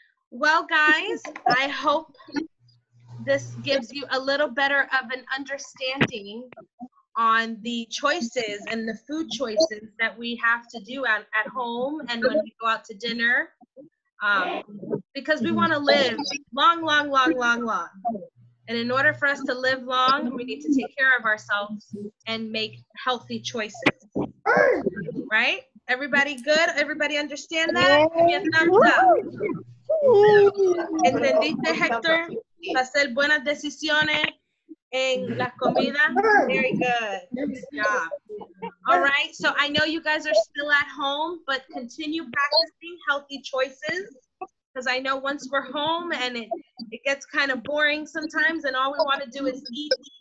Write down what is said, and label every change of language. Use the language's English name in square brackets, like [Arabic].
[English] Well, guys, I hope this gives you a little better of an understanding on the choices and the food choices that we have to do at home and when we go out to dinner, because we want to live long, long, long, long, long. And in order for us to live long, we need to take care of ourselves and make healthy choices. Right? Everybody good? Everybody understand that? Give me a thumbs up. [Spanish] ¿Entendiste, Hector? Hacer buenas decisiones. En la comida. [English] Very good. Good job. All right. So I know you guys are still at home, but continue practicing healthy choices. Because I know once we're home and it gets kind of boring sometimes and all we want to do is eat.